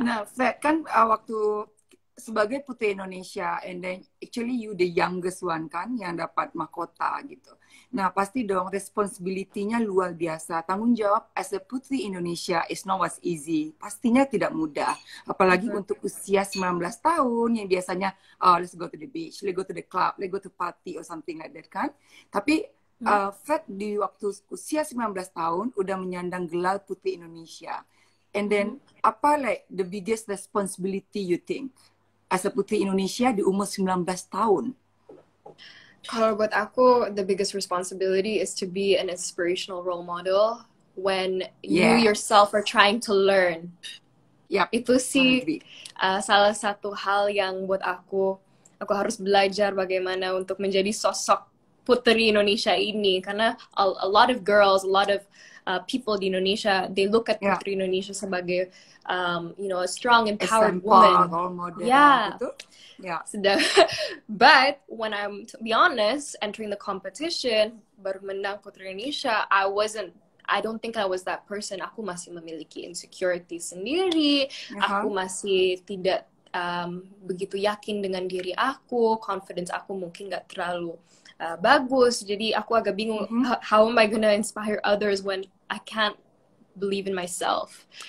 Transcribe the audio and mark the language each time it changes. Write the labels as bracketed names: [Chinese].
[Indonesian] Nah, Fat, kan waktu sebagai Putri Indonesia, [English] and then actually you the youngest one [Indonesian] kan, yang dapat mahkota gitu. Nah, pasti dong responsibility-nya luar biasa. Tanggung jawab [English] as a Putri Indonesia is not as easy. [Indonesian] Pastinya tidak mudah. Apalagi untuk usia 19 tahun yang biasanya, [English] oh, let's go to the beach, let's go to the club, let's go to party or something like that, kan? [Indonesian] Tapi, Fred di waktu usia 19 tahun udah menyandang gelar Putri Indonesia. [English] And then, apa like the biggest responsibility you think as a Putri Indonesia [Indonesian] di umur 19 tahun? [English] Kalau buat aku, the biggest responsibility is to be an inspirational role model when you yourself are trying to learn. Yep. [Indonesian] Itu sih salah satu hal yang buat aku harus belajar bagaimana untuk menjadi sosok Putri Indonesia ini. Karena [English] a lot of girls, a lot of people di Indonesia, they look at Putri Indonesia sebagai, you know, a strong, empowered example, woman. Role model, But when I'm, to be honest, entering the competition, [Indonesian] baru menang Putri Indonesia, [English] I don't think I was that person. [Indonesian] Aku masih memiliki insecurity sendiri. Aku masih tidak begitu yakin dengan diri aku. Confidence aku mungkin nggak terlalu bagus. Jadi aku agak bingung, [English] how am I gonna inspire others when I can't believe in myself?